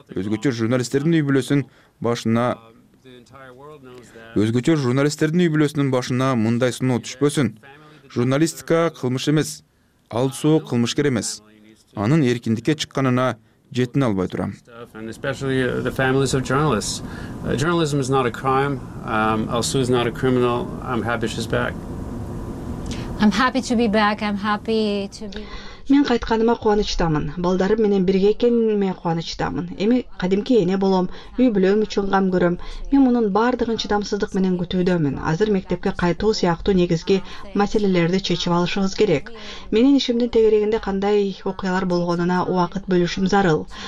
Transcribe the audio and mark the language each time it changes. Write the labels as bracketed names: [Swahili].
[Kyrgyz] Өзгөчө журналисттердин үй бүлөсүн башына мындай сыноо түшпөсүн. Журналистика кылмыш эмес. Ал суу кылмышкер эмес. Анын эркиндикке чыкканына жетине албай турам. [English] Journalism is not a crime. Ал суу is not a criminal. I'm happy she's back. I'm happy to be back. I'm happy to be [Kyrgyz] Мен кайтканыма кубанычтамын. Балдарым менен бирге экенимге кубанычтамын. Эми кадимки эне болом, үй бүлөм үчүн кам көрөм. Мен мунун бардыгын чыдамсыздык менен күтүүдөмүн. Азыр мектепке кайтуу сыяктуу негизги маселелерди чечип алышыбыз керек. Менин ишимдин тегерегинде кандай окуялар болгонуна убакыт бөлүшүм зарыл.